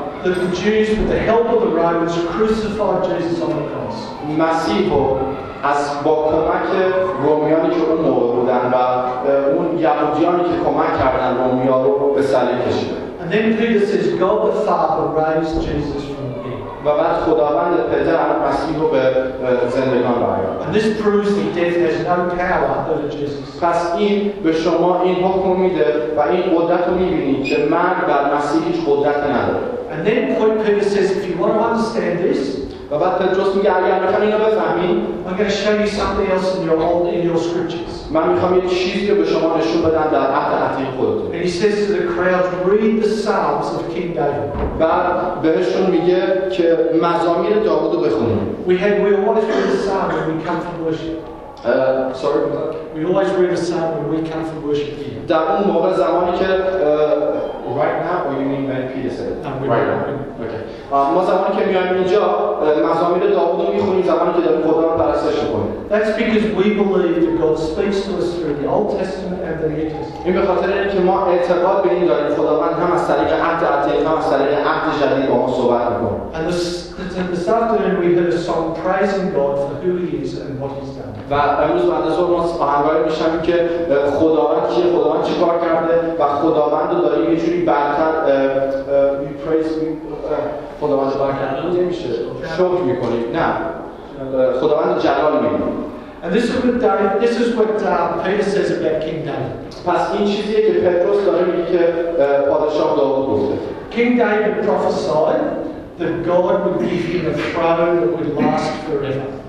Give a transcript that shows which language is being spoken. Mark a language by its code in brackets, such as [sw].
[en] that the Jews with the help of the Romans crucified Jesus on the cross. [fa] مسیح رو از با کمک رومیانی که اون موقع بودن و اون یهودیانی که کمک کردن رومیا رو به صلیب کشید. [en] And then Peter says, God the Father raised Jesus from the dead. [fa] و بعد خداوند پدر مسیح رو به زندگان برگرد. [en] And this proves that death has no power over Jesus. [fa] پس این به شما این حکم میده و این قدرت رو میبینید که مرگ بر مسیح هیچ قدرت نداره. [en] And then Peter says, if you want to understand this, [fa] و بعد پتروس میگه اگر میخوام اینو بفهمی، [en] I'm going to show you something else in your old, in your scriptures. [fa] من میخوام یه چیزی رو به شما نشون بدم در عهد عتیق خودتون. [en] And he says to the crowd, read the Psalms of King David. [fa] بعد بهشون میگه که مزامیر داوود رو بخونید. [en] We always read the Psalm when we come for worship. Sorry. We always read the Psalm when we come for worship here. [fa] در اون موقع زمانی که [en] right now or you mean when Peter said it? No, right now. Okay. [fa] ما زمانی که میایم اینجا مزامیر داوود رو میخونیم زمانی که داریم خدا رو پرستش میکنیم. [en] That's because we believe that God speaks to us through the Old Testament and the New Testament. [fa] این به خاطر اینه که ما اعتقاد به این داریم خداوند هم از طریق عهد عتیق هم از طریق عهد جدید با ما صحبت میکنه. [en] And this afternoon we heard a song praising God for who He is and what He's done. [fa] و امروز بعد از اون ما آهنگایی میشنویم که خداوند کیه، خداوند چی کار کرده و خداوند رو داریم یه جوری برتر می پریز می خداوند رو برتر نمیشه شکر میکنیم نه خداوند جلال میدیم. [en] And this is what Peter says about King David. [fa] پس این چیزیه که پتروس داره میگه که پادشاه داوود گفته. [en] King David prophesied that God would give him a throne that would last forever.